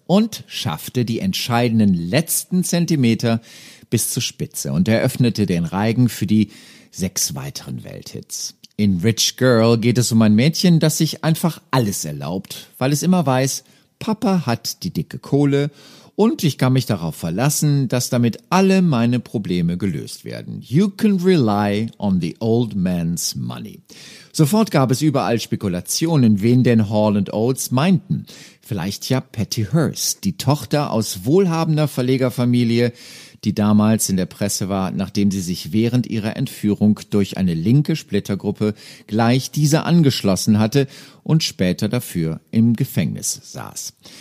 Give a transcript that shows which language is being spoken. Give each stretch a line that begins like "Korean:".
German: Und schaffte die entscheidenden letzten Zentimeter bis zur Spitze und eröffnete den Reigen für die 6 weiteren Welthits. In Rich Girl geht es um ein Mädchen, das sich einfach alles erlaubt, weil es immer weiß, Papa hat die dicke Kohle und ich kann mich darauf verlassen, dass damit alle meine Probleme gelöst werden.
English: You can rely on the old man's money.
German: Sofort gab es überall Spekulationen, wen denn Hall und Oates meinten. Vielleicht ja Patty Hearst, die Tochter aus wohlhabender Verlegerfamilie, die damals in der Presse war, nachdem sie sich während ihrer Entführung durch eine linke Splittergruppe gleich dieser angeschlossen hatte und später dafür im Gefängnis saß.